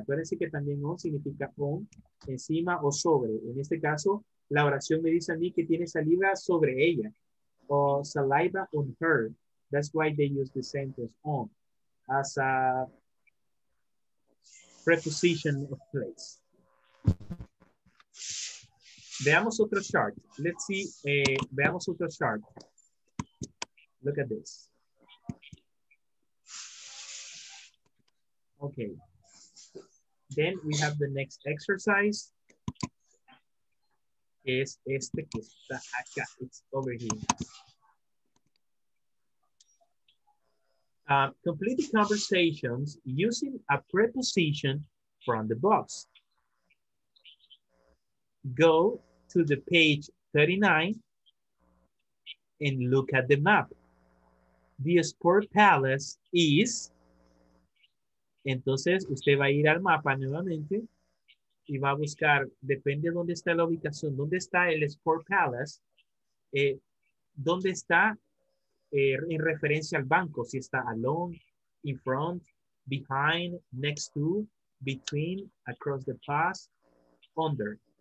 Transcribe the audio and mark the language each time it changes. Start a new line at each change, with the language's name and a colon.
Spanish: Acuérdense que también on significa on, encima o sobre. En este caso, la oración me dice a mí que tiene saliva sobre ella.
English: O saliva on her. That's why they use the sentence on as a preposition of place.
Spanish: Veamos otro chart.
English: Let's see.
Spanish: Veamos otro chart.
English: Look at this. Okay. Then we have the next exercise.
Spanish: Es este que está acá.
English: It's over here. Complete the conversations using a preposition from the box. Go to the page 39 and look at the map. The Sport Palace is...
Spanish: Entonces, usted va a ir al mapa nuevamente y va a buscar, depende de dónde está la ubicación, dónde está el Sport Palace, dónde está en referencia al banco, si está alone, in front, behind, next to, between, across the past, under.